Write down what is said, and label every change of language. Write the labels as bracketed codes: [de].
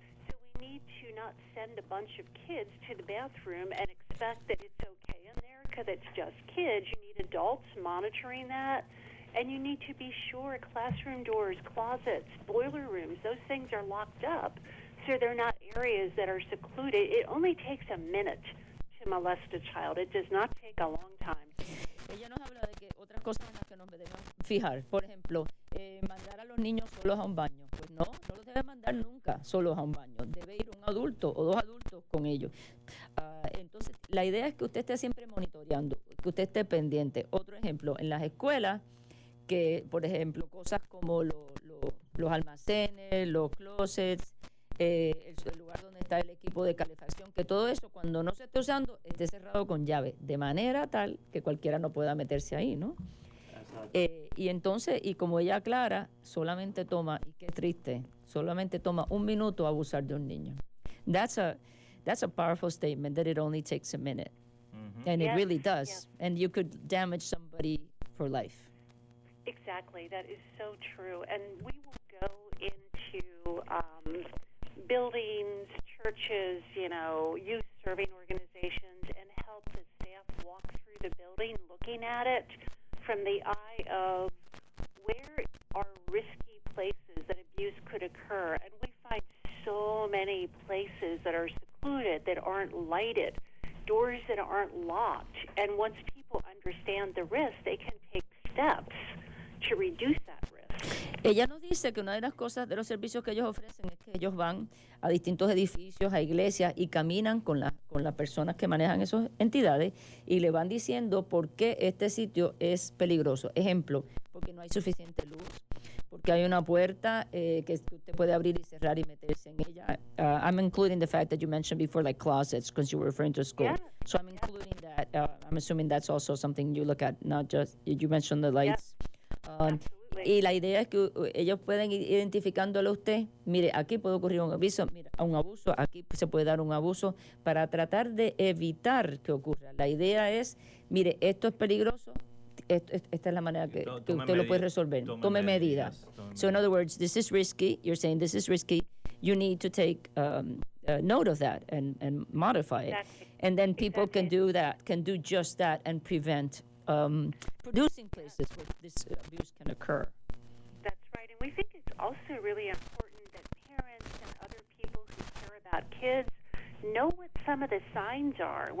[en] So we need to not send a bunch of kids to the bathroom and expect that it's okay in there because it's just kids. You need adults monitoring that. And you need to be sure classroom doors, closets, boiler rooms, those things are locked up so they're not areas that are secluded. It only takes a minute to molest a child. It does not take a long time. [es] Ella nos habla de que otras cosas en las que nos debemos fijar. Por ejemplo, mandar a los niños solos a un baño. Pues no los debe mandar nunca solos a un baño. Debe ir un adulto o dos adultos con ellos. Entonces, la idea es que usted esté siempre monitoreando, que usted esté pendiente. Otro ejemplo, en las escuelas, que, por ejemplo, cosas como los almacenes, los closets, el lugar donde está el equipo de calefacción, que todo eso, cuando no se esté usando, esté cerrado con llave, de manera tal que cualquiera no pueda meterse ahí, ¿no? Y entonces, y como ella aclara, solamente toma, y qué triste, solamente toma un minuto a abusar de un niño. [en] That's a powerful statement, that it only takes a minute. Mm-hmm. And yes. It really does. Yes. And you could damage somebody for life. Exactly, that is so true. And we will go into buildings, churches, you know, youth serving organizations and help the staff walk through the building looking at it from the eye of where are risky places that abuse could occur. And we find so many places that are secluded, that aren't lighted, doors that aren't locked. And once people understand the risk, they can take steps to reduce that risk. [es] Ella nos dice que una de las cosas de los servicios que ellos ofrecen es que ellos van a distintos edificios, a iglesias y caminan con las personas que manejan esas entidades y le van diciendo por qué este sitio es peligroso. Ejemplo, porque no hay suficiente luz, porque hay una puerta que usted puede abrir y cerrar y meterse en ella. [en] I'm including the fact that you mentioned before, like closets, because you were referring to school. Yeah. So I'm including that. I'm assuming that's also something you look at, not just you mentioned the lights. Yeah. [es] Y la idea es que ellos pueden ir identificándolo a usted, mire, aquí puede ocurrir un abuso, aquí se puede dar un abuso, para tratar de evitar que ocurra. La idea es, mire, esto es peligroso, esta es la manera que usted lo puede resolver. Tome medidas. [en] So in other words, this is risky. You're saying this is risky. You need to take note of that and modify it. And then people can do that, can do just that and prevent producing places where this abuse can occur. That's right. And we think it's also really important that parents and other people who care about kids know what some of the signs are.